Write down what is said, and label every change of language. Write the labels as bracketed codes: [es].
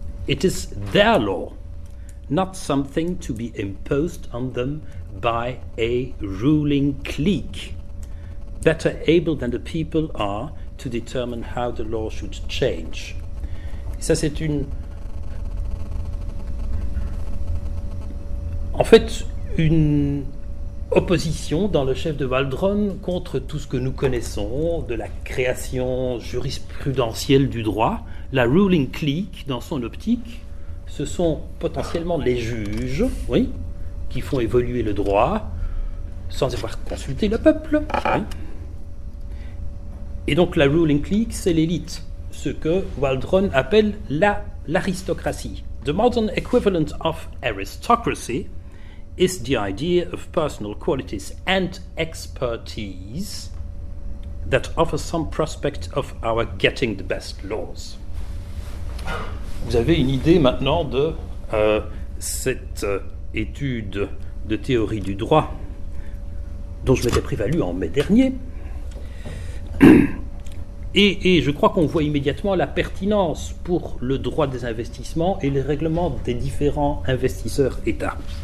[en] It is their law, not something to be imposed on them by a ruling clique. Better able than the people are to determine how the law should change. [fr] Ça, c'est une... En fait, une opposition dans le chef de Waldron contre tout ce que nous connaissons de la création jurisprudentielle du droit. La ruling clique, dans son optique, ce sont potentiellement les juges, oui, qui font évoluer le droit sans avoir consulté le peuple, oui. Et donc la ruling clique, c'est l'élite, ce que Waldron appelle l'aristocratie. [en] The modern equivalent of aristocracy is the idea of personal qualities and expertise that offer some prospect of our getting the best laws. [fr] Vous avez une idée maintenant de cette étude de théorie du droit dont je m'étais prévalu en mai dernier. Et je crois qu'on voit immédiatement la pertinence pour le droit des investissements et les règlements des différents investisseurs-États.